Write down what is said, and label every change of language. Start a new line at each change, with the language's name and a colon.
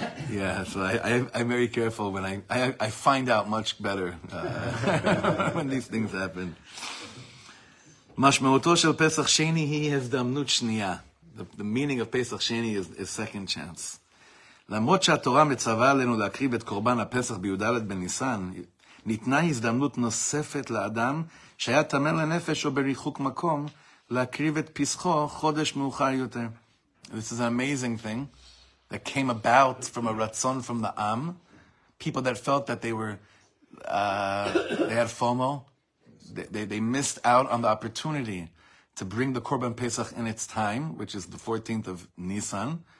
English: Yeah, so I'm very careful when I find out much better when these things happen.
Hebrew: Mashmeuto shel Pesach Sheni hi hezdamnut shniya.
English: The meaning of Pesach Sheni is second chance.
Hebrew: למרות שהתורה מצווה עלינו להקריב את קורבן הפסח בי"ד בניסן, ניתנה הזדמנות נוספת לאדם שהיה תמל לנפש או בריחוק מקום להקריב את פסחו חודש מאוחר יותר.
English: This is an amazing thing that came about from a רצון from the עם. People that felt that they were they had FOMO, they missed out on the opportunity to bring the Korban Pesach in its time, which is the 14th of Nisan.